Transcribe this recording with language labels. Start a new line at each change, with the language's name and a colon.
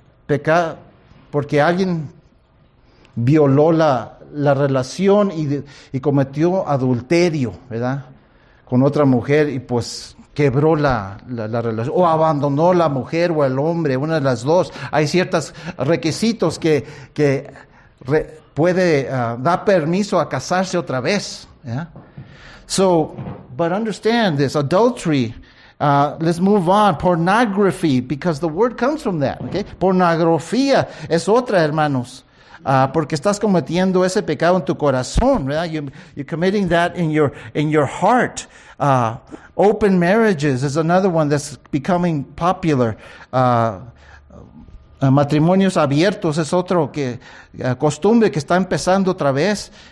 Spanish: Pecado, porque alguien violó la relación y cometió adulterio, ¿verdad? Con otra mujer y pues quebró la relación, o abandonó la mujer o el hombre, una de las dos. Hay ciertos requisitos que puede dar permiso a casarse otra vez.
English: Yeah? So, but understand this, adultery, let's move on, pornography, because the word comes from that.
Spanish: Okay? Pornografía es otra, hermanos. Porque estás cometiendo ese pecado en tu corazón, ¿verdad?
English: You're committing that in your heart. Open marriages is another one that's becoming popular.
Spanish: Matrimonios abiertos es otro que costumbre que está empezando otra vez.